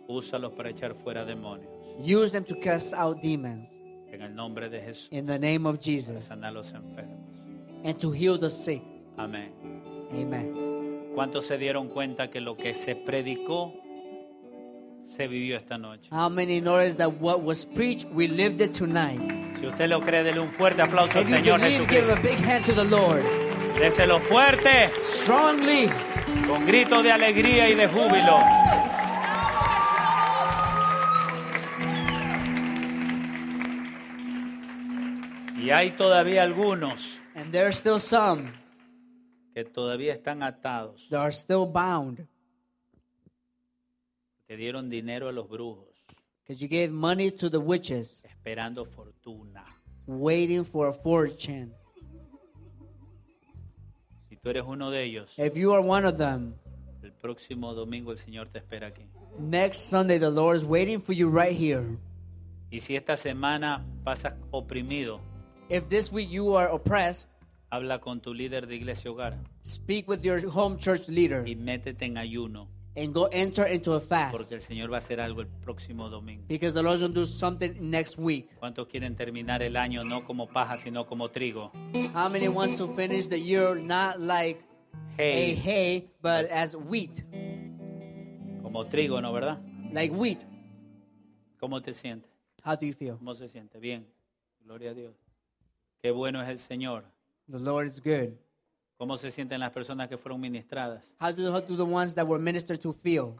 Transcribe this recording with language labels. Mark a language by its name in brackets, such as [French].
[Spanish] Úsalos para echar fuera demonios. [English] Use them to cast out demons. [Spanish] En el nombre de Jesús. [English] In the name of Jesus. [Spanish] Para sanar los enfermos. [English] And to heal the sick. [Spanish] Amén. [English] Amen. [Spanish] ¿Cuántos se dieron cuenta que lo que se predicó se vivió esta noche? [English] How many noticed that what was preached, we lived it tonight? [Spanish] Si usted lo cree, dele un fuerte aplauso al Señor Jesucristo. [English] If you believe, give a big hand to the Lord. [Spanish] Déselo fuerte. [English] Strongly. [Spanish] Con grito de alegría y de júbilo. Y hay todavía algunos. [English] And there are still some. [Spanish] Que todavía están atados. [English] They are still bound. [Spanish] Que dieron dinero a los brujos. [English] Because you gave money to the witches. [Spanish] Esperando fortuna. [English] Waiting for a fortune. [Spanish] Si tú eres uno de ellos. [English] If you are one of them. [Spanish] El próximo domingo el Señor te espera aquí. [English] Next Sunday the Lord is waiting for you right here. [Spanish] Y si esta semana pasas oprimido. [English] If this week you are oppressed. [Spanish] Habla con tu líder de iglesia hogar. [English] Speak with your home church leader. [Spanish] Y métete en ayuno. [English] And go enter into a fast. [Spanish] Porque el Señor va a hacer algo el próximo domingo. [English] Because the Lord will do something next week. [Spanish] ¿Cuántos quieren terminar el año no como paja sino como trigo? [English] How many want to finish the year not like hay. A hay, but as wheat? [Spanish] Como trigo, ¿no, verdad? [English] Like wheat. [Spanish] ¿Cómo te sientes? [English] How do you feel? [Spanish] ¿Cómo se siente? Bien. Gloria a Dios. Qué bueno es el Señor. [English] The Lord is good. [Spanish] ¿Cómo se sienten las personas que fueron ministradas? [English] How do the ones that were ministered to feel?